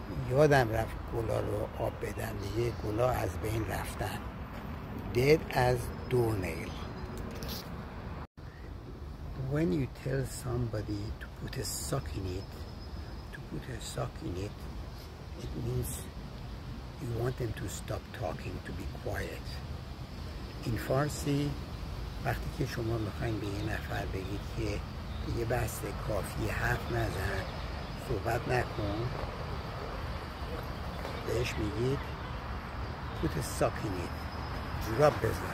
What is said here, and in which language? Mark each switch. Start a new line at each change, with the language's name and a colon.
Persian: یادم رفت گلا رو آب بدم، دیگه گلا از بین رفتن.
English: Dead as doornail. When you tell somebody to put a sock in it, put a sock in it, it means you want them to stop talking, to be quiet. In Farsi,
Persian: وقتی که شما میخواین به یه نفر بگید که دیگه بسته، کافی، حرف نزن، صحبت نکن، بهش میگید
English: put a sock in it,
Persian: جوراب بذار.